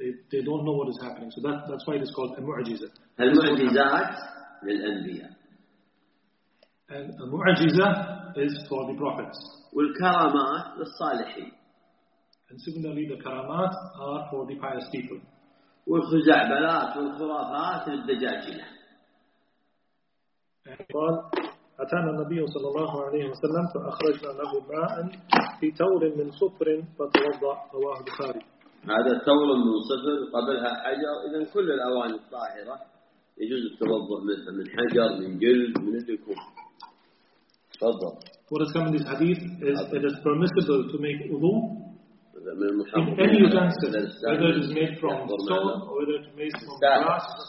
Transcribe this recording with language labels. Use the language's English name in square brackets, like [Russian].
[English] They don't know what is happening. So that's why it is called al-mu'jiza. [Arabic] Al-mu'jizat lil-anbiya. [English] And al-mu'jiza is for the prophets. [Arabic] Wal-karamat lil-salihin. [English] And similarly, the karamat are for the pious people. [Arabic] والخزعبلات والخرافات للدجاجلة. قال أتانا النبي صلى الله عليه وسلم فأخرجنا له ماء في تور من صفر فتوضأ رواه البخاري. هذا تور من صفر قبلها حجر، إذا كل الأواني الطاهرة يجوز التوضأ منها، من حجر، من جلد، من الدكوم. تفضل. [English] What has come in this hadith is it is permissible to make wudu in any utensil, whether it is made from stone or whether it is made from glass.